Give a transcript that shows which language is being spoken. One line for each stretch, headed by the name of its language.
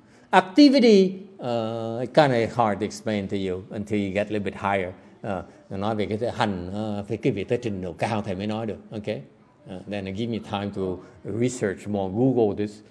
English: Activity, kind of hard to explain to you until you get a little bit higher.
Vietnamese: Nói về cái hành, phải cái việc tới trình độ cao thì mới nói được.
English: Okay? Then give me time to research more, Google this.